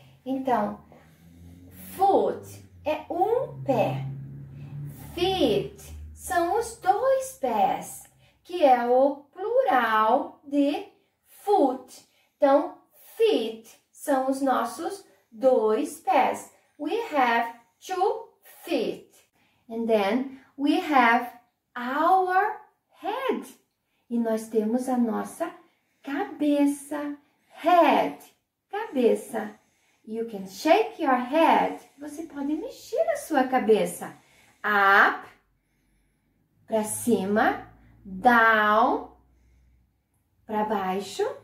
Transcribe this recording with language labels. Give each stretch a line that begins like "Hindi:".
Portuguese: Então, foot é um pé. Feet são os dois pés. Que é o plural de foot. Então, feet são os nossos dois pés.
English: We have two feet. And then, we have our head.
Portuguese: E nós temos a nossa cabeça.
English: Head, cabeça. You can shake your head.
Portuguese: Você pode mexer a sua cabeça. Up, para cima. Down, para baixo.